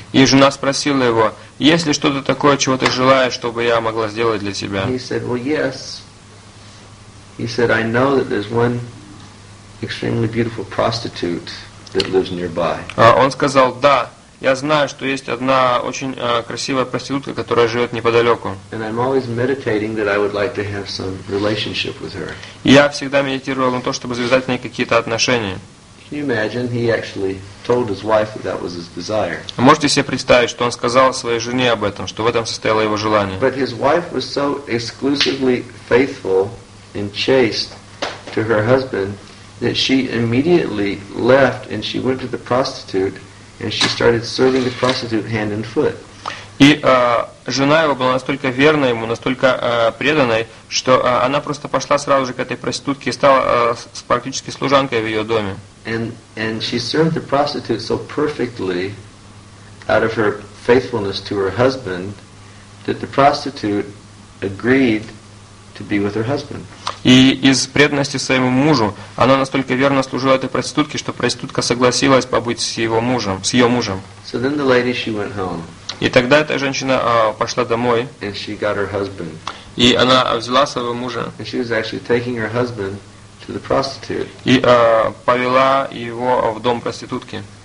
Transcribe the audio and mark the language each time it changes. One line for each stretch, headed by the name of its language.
Russian: И жена спросила его: "Есть ли что-то такое, чего ты желаешь, чтобы я могла сделать для тебя?"
English: He said, "Well, yes." He said, "I know that there's one extremely beautiful prostitute that lives nearby."
Russian: Он сказал: "Да. Я знаю, что есть одна очень красивая проститутка, которая живет неподалеку. Я всегда медитировал на то, чтобы завязать с ней какие-то отношения. Можете себе представить, что он сказал своей жене об этом, что в этом состояло его желание.
English: But his wife was so exclusively faithful and chaste to her husband that she immediately left and she went to the prostitute and she started serving the prostitute hand and foot.
Russian: И жена его была настолько верна ему, настолько преданной, что она просто пошла сразу же к этой проститутке и стала практически служанкой в ее доме.
English: And she served the prostitute so perfectly out of her faithfulness to her husband that the prostitute agreed to be with her husband.
Russian: И из преданности своему мужу она настолько верно служила этой проститутке, что проститутка согласилась побыть с его мужем, с ее мужем.
English: So then the lady, she went home.
Russian: И тогда эта женщина пошла домой.
English: And she got her husband.
Russian: И она взяла своего мужа.
English: And she was actually taking her husband to the prostitute.
Russian: И повела его в дом проститутки.